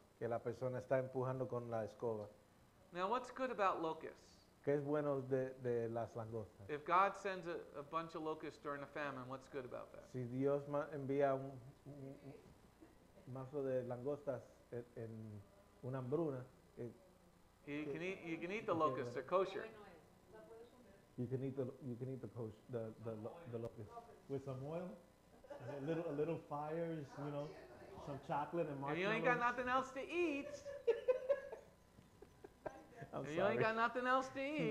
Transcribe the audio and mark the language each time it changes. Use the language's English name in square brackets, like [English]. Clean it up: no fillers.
[Spanish] Que la persona está empujando con la escoba. [English] Now, what's good about locusts? [Spanish] ¿Qué es bueno de las langostas? [English] If God sends a bunch of locusts during a famine, what's good about that? [Spanish] Si Dios envía un mazo de langostas en una hambruna. [English] You can eat the locusts, they're kosher. You can eat the locust with some oil, a little fires, you know, some chocolate and marshmallows. You ain't got nothing else to eat. You ain't got nothing else to eat.